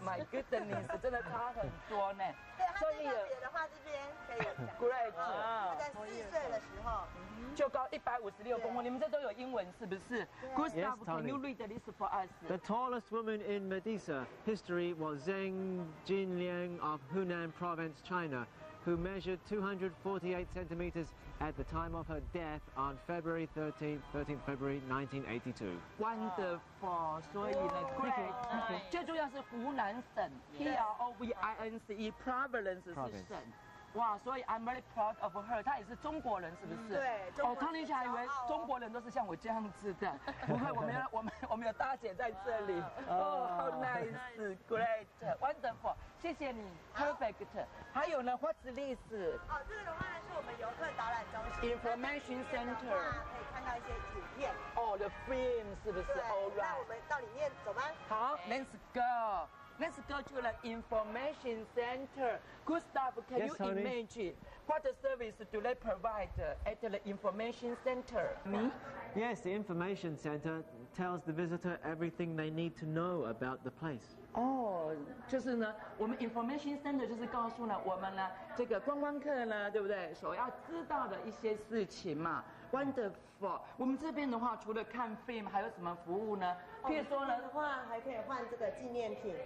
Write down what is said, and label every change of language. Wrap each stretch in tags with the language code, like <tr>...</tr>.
<en>my goodness,</en> <zh>真的差很多呢。对，还有特别的话，这边可以有。</zh> <en>Great.</en> <zh>他在四岁的时候，就高156公分。你们这都有英文是不是 ？Gustav,</zh> <en>yes, can you read this for us? The tallest woman in Medisa history was Zheng Jinliang of Hunan Province, China. Who measured 248 centimeters at the time of her death on February 13, 1982. Wonderful.</en> <zh>所以呢</zh> <en>，great. Thank you. Thank you.</en> <zh>最重要是湖南省 ，P-R-O-V-I-N-C-E, province 是省。哇，所以</zh> <en>I'm very proud of her.</en> <zh>她也是中国人，是不是？对。哦，康林姐还以为中国人都是像我这样子的。不会，我们有大姐在这里。</zh> <en>Oh, how nice, great, wonderful.</en> <zh>谢谢你 ，perfect. 还有呢</zh> <en>，What's this?</en> <zh>哦，这个的话是我们游客导览中心</zh> <en>information center.</en> <zh>可以看到一些图片。</zh> <en>Oh, the film</en> <zh>是不是</zh> <en>？All right.</en> <zh>那我们到里面走吧。好</zh> <en>，Let's go. Let's go to the information center. Gustav, can yes, you imagine what service do they provide at the information center? Me? Yes, the information center tells the visitor everything they need to know about the place.</en> <zh>Oh, 就是呢，我们 information center 就是告诉了我们呢，这个观光客呢，对不对？所要知道的一些事情嘛。</zh> <en>Wonderful.</en> <zh>我们这边的话，除了看 film， 还有什么服务呢？譬如说呢，的话还可以换这个纪念品。</zh>